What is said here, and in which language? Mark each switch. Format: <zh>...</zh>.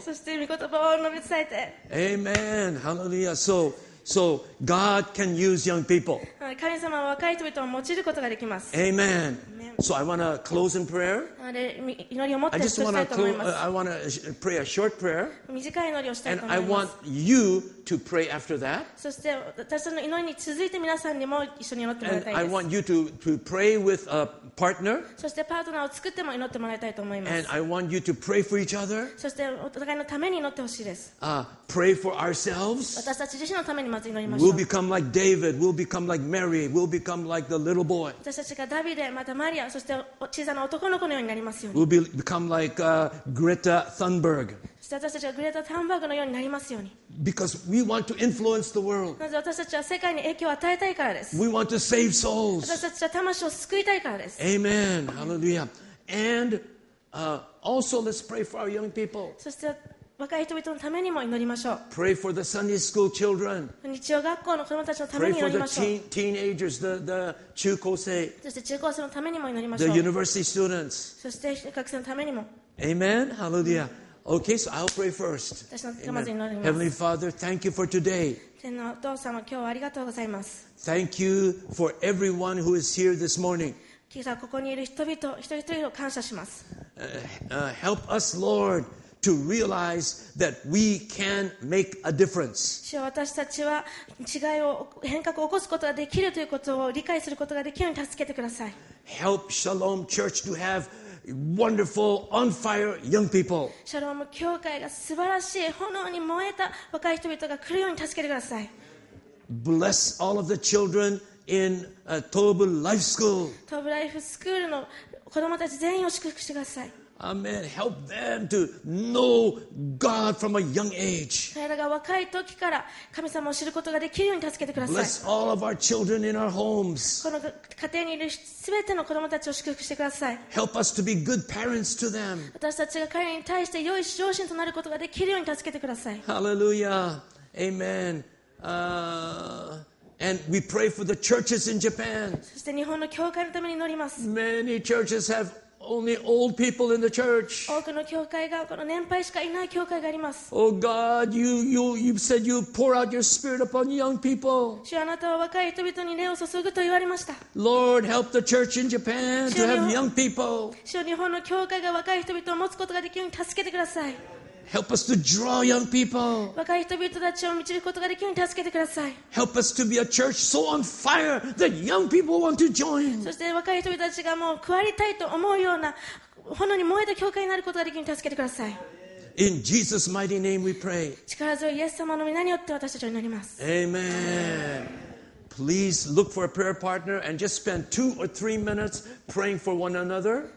<ja>そして御言葉を述べ伝えて。</ja> <en>Amen. Hallelujah. So So God can use young people.</en> <ja>神様は若い人々を用いることができます。</ja> <en>Amen. So I want to close in prayer.</en> <ja>祈りを持って進みたいと思います。</ja> <en>I want to pray a short prayer.</en> <ja>短い祈りをしたいと思います。</ja> <en>And I want you to pray after that.</en> <ja>そして私の祈りに続いて皆さんにも一緒に祈ってもらいたいです。</ja> <en>And I want you to pray with a partner.</en> <ja>そしてパートナーを作っても祈ってもらいたいと思います。</ja> <en>And I want you to pray for each other.</en> <ja>そしてお互いのために祈ってほしいです。</ja> <en>Pray for ourselves.</en> <ja>私たち自身のためにまず祈りましょう。</ja> <en>We'll become like David. We'll become like Mary. We'll become like the little boy.</en> <ja>私たちがダビデ、またマリア、そして小さな男の子のようになりますように。</ja> <en>We'll become like Greta Thunberg.</en> <ja>そして私たちがグレタ・タンバーグのようになりますように。</ja> <en>Because we want to influence the world.</en> <ja>なぜ私たちは世界に影響を与えたいからです。</ja> <en>We want to save souls.</en> <ja>私たちは魂を救いたいからです。</ja> <en>Amen. Hallelujah. And also, let's pray for our young people.</en> <ja>そして若い人々のためにも祈りましょう。</ja> <en>Pray for the Sunday school children.</en> <ja>日曜学校の子供たちのために祈りましょう。</ja> <en>Pray for the teenagers, the 中高生。</en> <ja>そして中高生のためにも祈りましょう。</ja> <en>The university students.</en> <ja>そして学生のためにも。</ja> <en>Amen. Hallelujah. Okay, so I'll pray first.</en> <ja>私のためにまず祈ります。</ja> <en>Heavenly Father, thank you for today.</en> <ja>天のお父様、今日はありがとうございます。</ja> <en>Thank you for everyone who is here this morning.</en> <ja>今朝ここにいる人々、一人一人を感謝します。</ja> <en>Help us, Lord. To realize that we can make a difference.</en> <ja>主よ、私たちは違いを変革を起こすことができるということを理解することができるように助けてください。</ja> <en>Help Shalom Church to have wonderful on fire young people.</en> <ja>シャローム教会が素晴らしい炎に燃えた若い人々が来るように助けてください。</ja> <en>Bless all of the children in Tobu Life School.</en> <ja>トブライフスクールの子どもたち全員を祝福してください。</ja> <en>Amen. Help them to know God from a young age.</en> <ja>彼らが若い時から神様を知ることができるように助けてください。</ja> <en>Bless all of our children in our homes.</en> <ja>この家庭にいるすべての子供たちを祝福してください。</ja> <en>Help us to be good parents to them.</en> <ja>私たちが彼らに対して良い両親となることができるように助けてください。</ja> <en>Hallelujah. Amen. And we pray for the churches in Japan.</en> <ja>そして日本の教会のために祈ります。</ja> <en>Many churches have Only old people in the church.</en> <ja>多くの教会がこの年配しかいない教会があります。</ja> <en>Oh God, you said you pour out your spirit upon young people.</en> <ja>主あなたは若い人々に霊を注ぐと言われました。</ja> <en>Lord, help the church in Japan to have young people.</en> <ja>主日本の教会が若い人々を持つことができるように助けてください。</ja> <en>Help us to draw young people.</en> <ja>若い人々たちを導くことができるように助けてください。</ja> <en>Help us to be a church so on fire that young people want to join.</en> <ja>そして若い人々たちがもう加わりたいと思うような炎に燃えた教会になることができるように助けてください。</ja> <en>In Jesus' mighty name we pray.</en> <ja>力強いイエス様の皆によって私たちを祈ります。</ja> <en>Amen. Please look for a prayer partner and just spend two or three minutes praying for one another.</en>